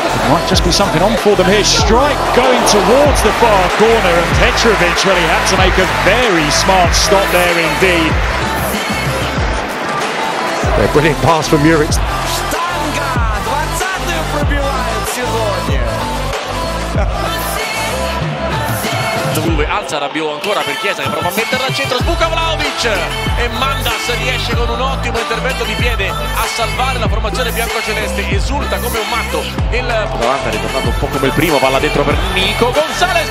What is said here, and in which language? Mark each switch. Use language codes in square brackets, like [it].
[en] Might just be something on for them here. Strike going towards the far corner and Petrovic really had to make a very smart stop there indeed. A brilliant pass from Muric. [ru] Штанга 20-ю пробивает в сезоне. [it] Dove alza Rabiot ancora per Chiesa che prova a metterla al centro. Sbuca Vlahovic e Mandas riesce con un ottimo intervento di piede a salvare la formazione biancoceleste. Esulta come un matto. Il davanti è ritornato un po' come il primo, palla dentro per Nico González.